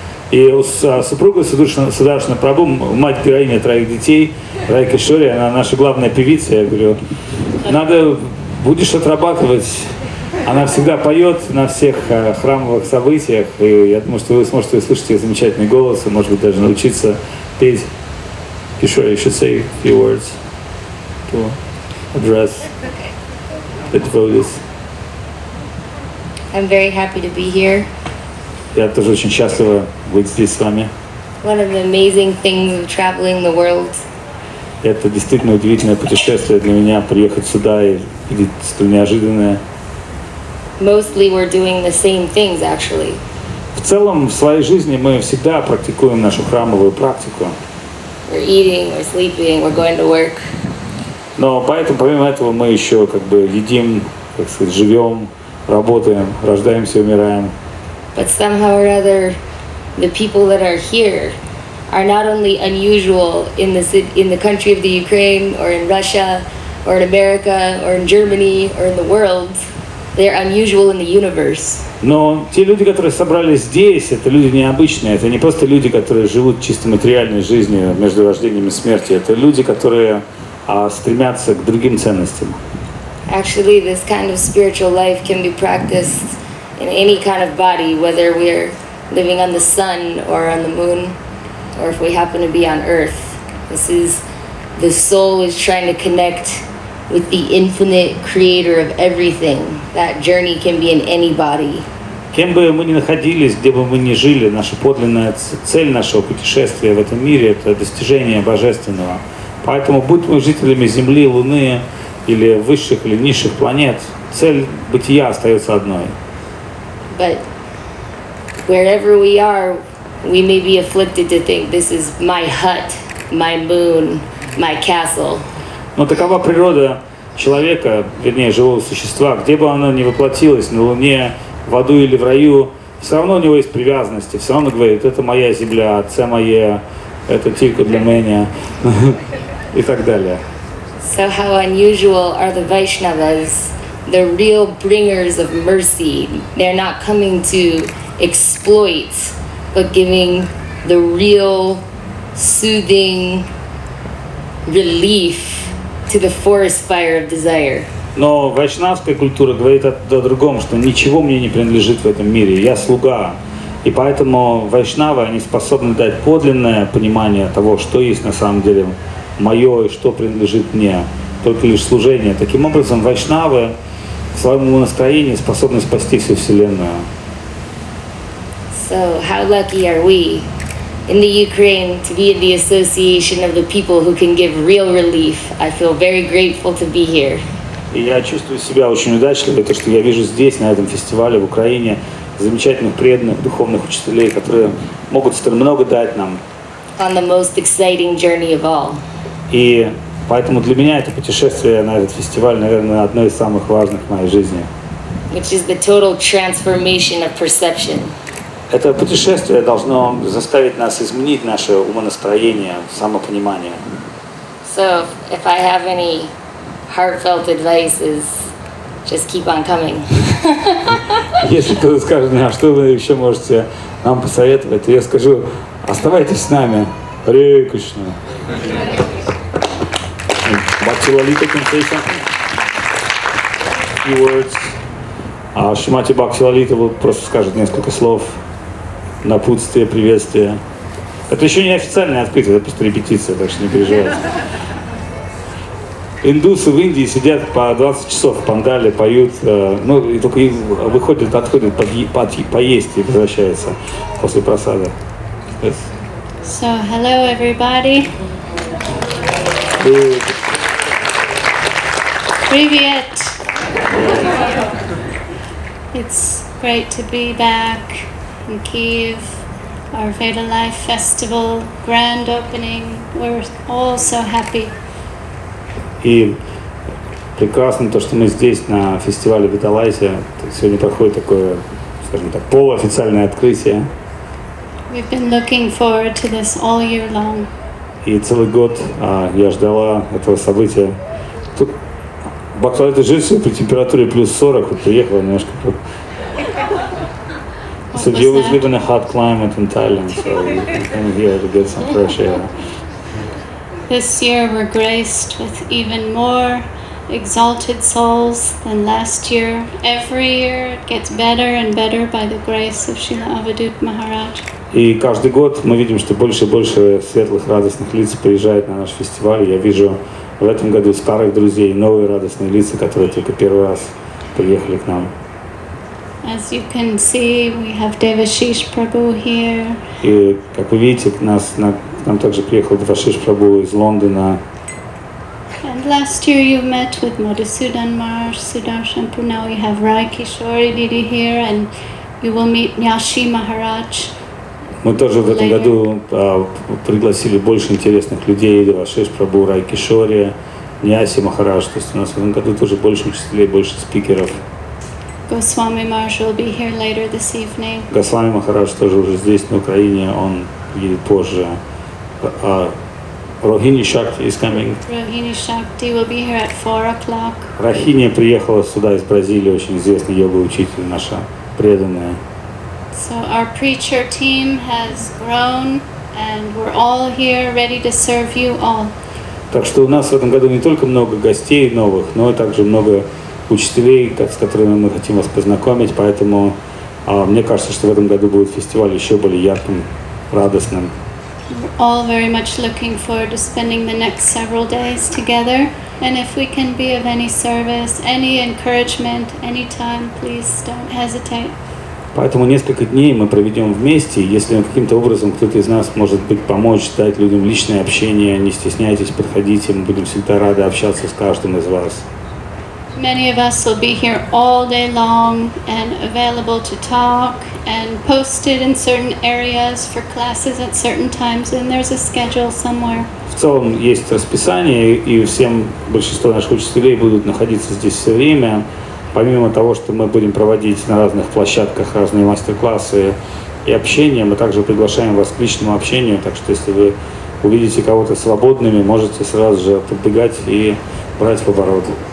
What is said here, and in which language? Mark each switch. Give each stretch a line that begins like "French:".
Russian: И с супругой Сударшина Прабу, мать героиня троих детей, Райка Шори, она наша главная певица, я говорю, надо, будешь отрабатывать. Она всегда поет на всех храмовых событиях, и я думаю, что вы сможете услышать ее замечательный голос, и, может быть, даже научиться петь.
English: Кишори, you should say a few words. Address the devotees. I'm very happy to be here.
Russian: Я тоже очень счастлива быть здесь с вами.
English: One of the amazing things of traveling the world.
Russian: Это действительно удивительное путешествие для меня, приехать сюда и видеть столь неожиданное.
English: Mostly we're doing the same things, actually.
Russian: В целом, в своей жизни мы всегда практикуем нашу храмовую практику.
English: We're eating, we're sleeping, we're going to work.
Russian: Но поэтому, помимо этого, мы еще как бы едим, как сказать, живем, работаем, рождаемся, умираем.
English: But somehow or other, the people that are here are not only unusual in the country of the Ukraine or in Russia or in America or in Germany or in the world. They're unusual in the universe.
Russian: Но те люди, которые собрались здесь, это люди необычные. Это не просто люди, которые живут чисто материальной жизнью между рождением и смертью. Это люди, которые стремятся к другим ценностям.
English: Actually, this kind of spiritual life can be practiced in any kind of body, whether we're living on the sun or on the moon, or if we happen to be on earth. This is the soul is trying to connect with the infinite creator of everything. That journey can be in any body.
Russian: Кем бы мы ни находились, где бы мы ни жили, наша подлинная цель нашего путешествия в этом мире – это достижение Божественного. Поэтому, будь мы жителями Земли, Луны или высших или низших планет, цель бытия остается одной.
English: But wherever we are, we may be afflicted to think this is my hut, my moon, my castle.
Russian: Но такова природа человека, вернее, живого существа, где бы оно ни воплотилось, на Луне, в аду или в раю, все равно у него есть привязанности, все равно говорит, это моя земля,
Ukrainian: це моє,
Russian: это
Ukrainian: тільки для мене,
Russian: и так далее.
English: So how unusual are the Vaishnavas, the real bringers of mercy. They're not coming to exploit, but giving the real soothing relief to the forest fire of desire.
Russian: Но вайшнавская культура говорит о другом, что ничего мне не принадлежит в этом мире, я слуга. И поэтому вайшнавы, они способны дать подлинное понимание того, что есть на самом деле мое и что принадлежит мне, только лишь служение. Таким образом, вайшнавы в своем настроении способны спасти всю Вселенную.
English: So, how lucky are we in the Ukraine to be in the association of the people who can give real relief? I feel very grateful to be here.
Russian: И я чувствую себя очень удачливо, потому что я вижу здесь, на этом фестивале в Украине, замечательных преданных духовных учителей, которые могут столь много дать нам.
English: On the most exciting journey of all.
Russian: И поэтому для меня это путешествие на этот фестиваль, наверное, одно из самых важных в моей жизни.
English: Which is the total transformation of perception.
Russian: Это путешествие должно заставить нас изменить наше умонастроение, самопонимание.
English: So, if I have any heartfelt advice is just keep on coming.
Russian: Если кто-то скажет мне, а что вы еще можете нам посоветовать, то я скажу, оставайтесь с нами.
English: Hare Krishna. Bhakti Lalita can say something. A few words.
Russian: Шримати Бхакти Лалита просто скажет несколько слов. Напутствие, приветствие. Это еще не официальное открытие, это просто репетиция, так что не переживайте. Индусы в Индии сидят по 20 часов в пандале, поют, ну, и только выходят, отходят поесть и возвращаются после просады.
English: Yes. So, hello, everybody.
Russian: Привет. Привет.
English: It's great to be back in Kyiv. Our Veda Life Festival, grand opening. We're all so happy.
Russian: И прекрасно то, что мы здесь, на фестивале Виталайте. Сегодня проходит такое, скажем так, полуофициальное открытие.
English: We've been looking forward to this all year long.
Russian: И целый год я ждала этого события. Тут бакалавриты жили при температуре плюс 40, вот приехала немножко.
English: What so you was live in a hot climate in Thailand, so you came here to get some fresh air. This year we're graced with even more exalted souls than last year. Every year it gets better and better by the grace of Srila Avadhut Maharaj.
Russian: И каждый год мы видим, что больше и больше светлых, радостных лиц приезжает на наш фестиваль. Я вижу в этом году старых друзей, новые радостные лица, которые только первый раз приехали к нам.
English: As you can see, we have Devashish Prabhu here.
Russian: И как вы видите, нам также приехал Девашиш Прабху из Лондона.
English: And last year you met with Madhusudan Maharaj, Sudarshan Prabhu. Now we have Rai Kishori Didi here, and you will meet Nyashi Maharaj.
Russian: Мы тоже в этом году пригласили больше интересных людей: Девашиш Прабху, Рай Кишори, Нияси Махарадж. То есть у нас в этом году тоже больше учителей, больше спикеров.
English: Goswami Maharaj will be here later this evening.
Russian: Goswami Maharaj тоже уже здесь, на Украине, он едет позже.
English: Rohini Shakti is coming. Rohini Shakti will be here at 4 o'clock.
Russian: Rohini приехала сюда из Бразилии, очень известный йога-учитель, наша преданная.
English: So our preacher team has grown, and we're all here ready to serve you all.
Russian: Так что у нас в этом году не только много гостей новых, но также много учителей, с которыми мы хотим вас познакомить, поэтому мне кажется, что в этом году будет фестиваль еще более ярким, радостным.
English: We're all very much looking forward to spending the next several days together. And if we can be of any service, any encouragement, any time, please don't hesitate.
Russian: Поэтому несколько дней мы проведем вместе, если каким-то образом кто-то из нас может быть помочь, дать людям личное общение, не стесняйтесь, подходите, мы будем всегда рады общаться с каждым из вас.
English: Many of us will be here all day long and available to talk and posted in certain areas for classes at certain times, and there's a schedule somewhere.
Russian: В целом есть расписание, и всем, большинство наших учителей будут находиться здесь все время. Помимо того, что мы будем проводить на разных площадках разные мастер-классы и общение, мы также приглашаем вас к личному общению, так что если вы увидите кого-то свободными, можете сразу же подбегать и брать в оборот.